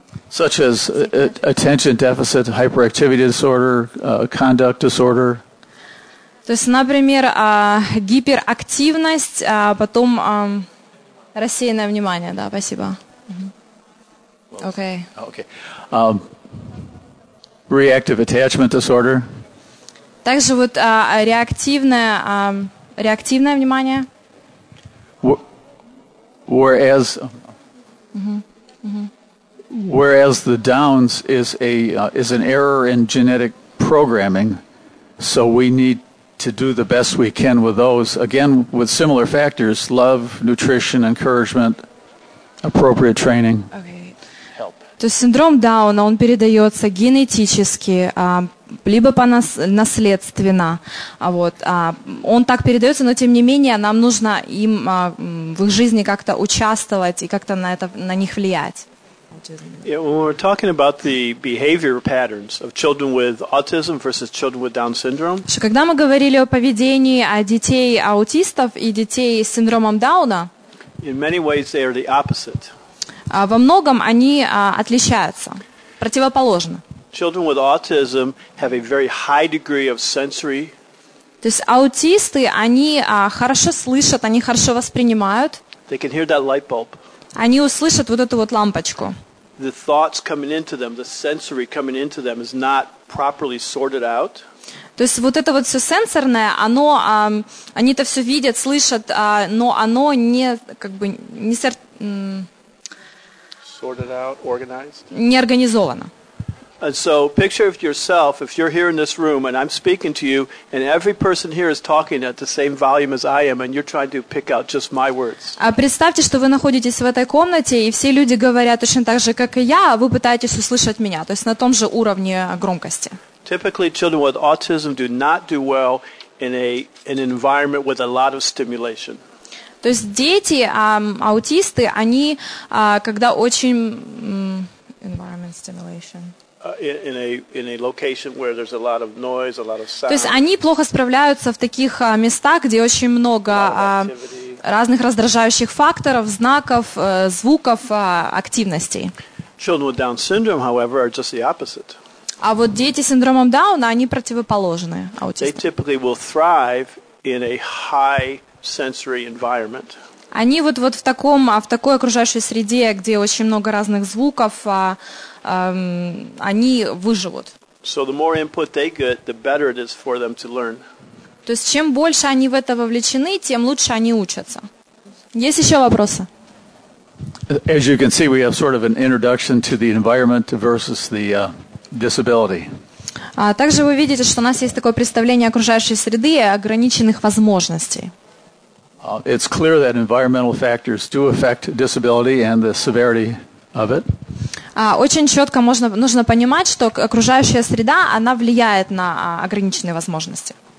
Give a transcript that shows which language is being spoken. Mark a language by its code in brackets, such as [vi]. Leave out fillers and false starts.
[en] such as attention deficit hyperactivity disorder, conduct disorder. [ru] То есть, например, гиперактивность, а потом рассеянное внимание, да, спасибо. [en] Okay. Okay. Reactive attachment disorder. [ru] Также вот реактивное внимание. [en] Whereas whereas the Downs is an error in genetic programming, so we need to do the best we can with those. Again, with similar factors: love, nutrition, encouragement, appropriate training. Okay. Help. [ru] То есть синдром Дауна, он передается генетически, либо по наследственно, вот. Он так передается, но тем не менее нам нужно им в их жизни как-то участвовать и как-то на них влиять. [en] Yeah, when we're talking about the behavior patterns of children with autism versus children with Down syndrome. [ru] Когда мы говорили о поведении детей аутистов и детей с синдромом Дауна, [en] in many ways they are the opposite. [ru] Во многом они отличаются, противоположны. [en] Children with autism have a very high degree of sensory. [ru] То есть аутисты, они хорошо слышат, они хорошо воспринимают. [en] They can hear that light bulb. [ru] Они услышат вот эту вот лампочку. [en] The thoughts coming into them, the sensory coming into them is not properly sorted out. [ru] То есть вот это вот все сенсорное, оно, они это все видят, слышат, но оно не как бы не [en] sorted out, organized. [ru] Не организовано. [en] And so picture of yourself, if you're here in this room and I'm speaking to you and every person here is talking at the same volume as I am and you're trying to pick out just my words. [ru] А представьте, что вы находитесь в этой комнате и все люди говорят точно так же, как и я, а вы пытаетесь услышать меня, то есть на том же уровне громкости. [en] Typically children with autism do not do well in an environment with a lot of stimulation. [ru] То есть дети, аутисты, они когда очень [en] environment stimulation. In a location where there's a lot of noise, a lot of sound. [ru] То есть они плохо справляются в таких местах, где очень много разных раздражающих факторов, знаков, звуков, активностей. [en] Children with Down syndrome, however, are just the opposite. [ru] А вот дети с синдромом Дауна, они противоположны аутистам. [en] They typically will thrive in a high sensory environment. [ru] Они вот в такой окружающей среде, где очень много разных звуков, они выживут. [en] So the more input they get, the better it is for them to learn. [ru] То есть чем больше они в это вовлечены, тем лучше они учатся. Есть еще вопросы? [en] As you can see, we have sort of an introduction to the environment versus the disability. [ru] Также вы видите, что у нас есть такое представление окружающей среды и ограниченных возможностей. [en] It's clear that environmental factors do affect disability and the severity of it. [ru] Очень четко нужно понимать, что окружающая среда, она влияет на ограниченные возможности.